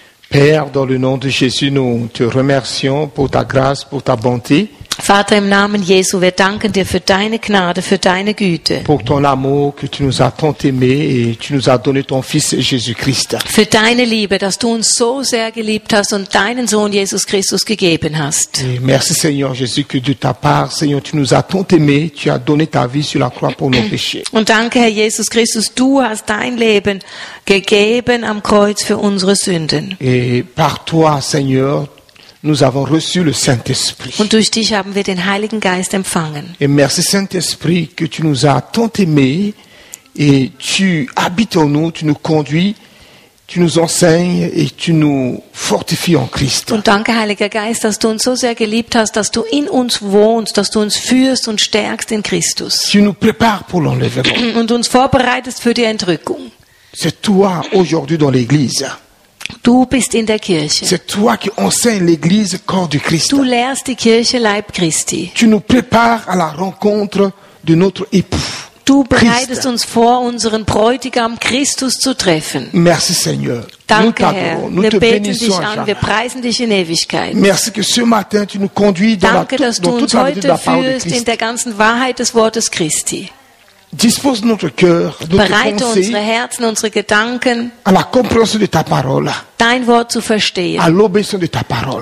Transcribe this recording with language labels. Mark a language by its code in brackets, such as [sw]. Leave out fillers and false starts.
[fr] Père, dans le nom de Jésus, nous te remercions pour ta grâce, pour ta bonté. [de] Vater, im Namen Jesu, wir danken dir für deine Gnade, für deine Güte. [fr] Pour ton amour que tu nous as tant aimé et tu nous as donné ton fils Jésus-Christ. [de] Für deine Liebe, dass du uns so sehr geliebt hast und deinen Sohn Jesus Christus gegeben hast. [fr] Et merci Seigneur Jésus que de ta part, Seigneur, tu nous as tant aimé, tu as donné ta vie sur la croix pour nos péchés. [de] Und danke Herr Jesus Christus, du hast dein Leben gegeben am Kreuz für unsere Sünden. [fr] Et par toi, Seigneur, nous avons reçu le Saint-Esprit. [de] Und durch dich haben wir den Heiligen Geist empfangen. [fr] Et merci Saint-Esprit que tu nous as tant aimé et tu habites en nous, tu nous conduis, tu nous enseignes et tu nous fortifies en Christ. [de] Und danke Heiliger Geist, dass du uns so sehr geliebt hast, dass du in uns wohnst, dass du uns führst und stärkst in Christus. [fr] Tu nous prépares pour l'enlèvement. [de] Und uns vorbereitest für die Entrückung. [fr] C'est toi aujourd'hui dans l'église. [de] Du bist in der Kirche. [fr] C'est toi qui enseignes l'église corps du Christ. [de] Du lehrst die Kirche Leib Christi. [fr] Tu nous prépares à la rencontre de notre époux. [de] Du bereitest uns vor, unseren Bräutigam Christus zu treffen. [fr] Merci Seigneur. [de] Danke Herr. [fr] Nous te bénissons à jamais. [de] Wir preisen dich in Ewigkeit. [fr] Merci que ce matin tu nous conduis dans la toute la vérité de la parole de Christ. [de] Danke, dass du uns heute führst in der ganzen Wahrheit des Wortes Christi. [fr] Dispose notre cœur, [de] bereite unsere Herzen, unsere Gedanken, [fr] à la compréhension de ta parole, [de] dein Wort zu verstehen, [fr] à l'obéissance de ta parole,